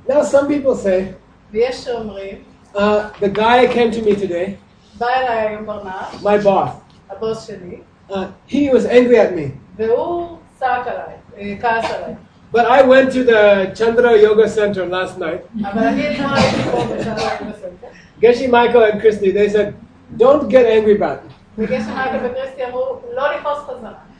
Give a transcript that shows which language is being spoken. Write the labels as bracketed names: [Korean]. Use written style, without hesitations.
[English] Now some people say. [Hebrew] ויש שאומרים. [English] The guy came to me today. [Hebrew] בא אליי היום ברנש. [English] My boss. [Hebrew] הבוס שלי. [English] He was angry at me. [Hebrew] והוא צעק עליי. כעס עליי. [English] But I went to the Chandra Yoga Center last night. [Hebrew] אבל אני אתמול הייתי פה בצ'נדרה יוגה סנטר. [English] גשי מייקל and Christy, they said, don't get angry back. [Hebrew] וגשי מייקל וקריסטי אמרו, לא לכעוס חזרה.